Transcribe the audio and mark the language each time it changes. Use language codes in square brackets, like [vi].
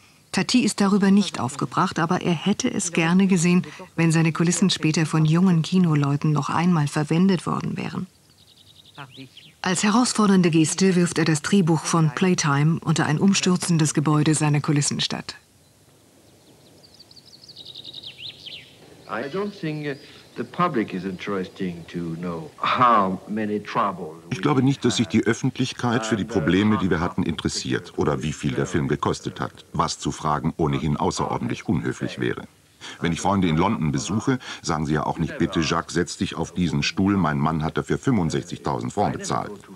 [de] Tati ist darüber nicht aufgebracht, aber er hätte es gerne gesehen, wenn seine Kulissen später von jungen Kinoleuten noch einmal verwendet worden wären. Als herausfordernde Geste wirft er das Drehbuch von Playtime unter ein umstürzendes Gebäude seiner Kulissen statt. [en] I don't think the public is interesting to know how many troubles. [de] Ich glaube nicht, dass sich die Öffentlichkeit für die Probleme, die wir hatten, interessiert oder wie viel der Film gekostet hat, was zu fragen ohnehin außerordentlich unhöflich wäre. Wenn ich Freunde in London besuche, sagen sie ja auch nicht, bitte Jacques, setz dich auf diesen Stuhl, mein Mann hat dafür 65.000 Franc bezahlt.